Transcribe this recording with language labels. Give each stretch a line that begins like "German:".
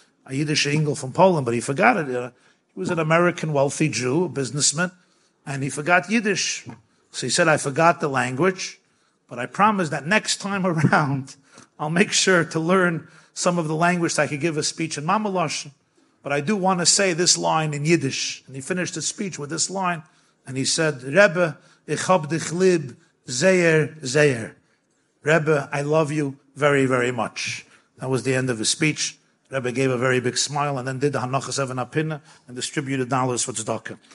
English: A Yiddish Engel from Poland, but he forgot it. He was an American wealthy Jew, a businessman, and he forgot Yiddish. So he said, I forgot the language, but I promise that next time around, I'll make sure to learn some of the language so I could give a speech in Mamaloshin. But I do want to say this line in Yiddish. And he finished his speech with this line. And he said,
Yiddish: Rebbe, ich hab dich lieb, sehr, sehr.
English: Rebbe, I love you very, very much. That was the end of his speech. Rebbe gave a very big smile and then did the Hanachas Evin Apinna and distributed dollars for tzedakah.